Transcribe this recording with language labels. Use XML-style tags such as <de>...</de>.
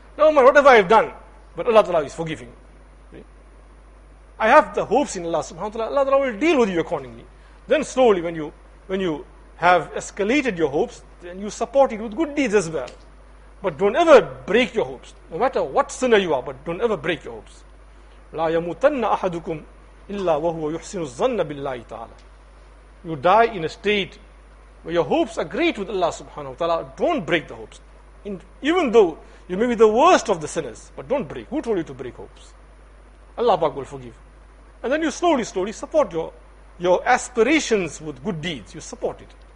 <en>No matter whatever I have done, but Allah ta'ala is forgiving. I have the hopes in Allah subhanahu wa ta'ala. Allah ta'ala will deal with you accordingly. Then slowly when you have escalated your hopes, then you support it with good deeds as well. But don't ever break your hopes. No matter what sinner you are, but don't ever break your hopes.</en> <ar>لا يموتن أحدكم إلا وهو يحسن الظن بالله تعالى.</ar> <en>You die in a state where your hopes are great with Allah subhanahu wa ta'ala. Don't break the hopes. Even though you may be the worst of the sinners, but don't break. Who told you to break hopes? Allah Pak will forgive. And then you slowly support your aspirations with good deeds. You support it.</en>